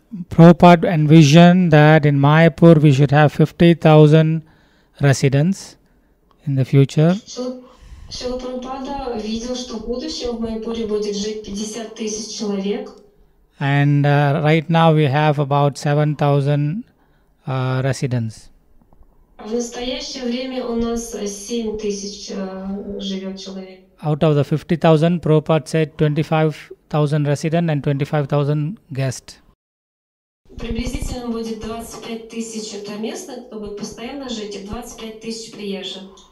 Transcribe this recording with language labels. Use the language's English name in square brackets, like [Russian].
[English] Prabhupada envisioned that in Mayapur we should have 50,000 residents in the future. [Russian] Шрила Прабхупада видел, что в будущем в Майпуре будет жить 50,000 человек. [English] And right now we have about 7,000 residents. [Russian] В настоящее время у нас 7,000 живет человек. [English] Out of the 50,000, Prabhupada said 25,000 residents and 25,000 guests. [Russian] Приблизительно будет 25 тысяч это местных, кто будет постоянно жить, и 25 тысяч приезжих.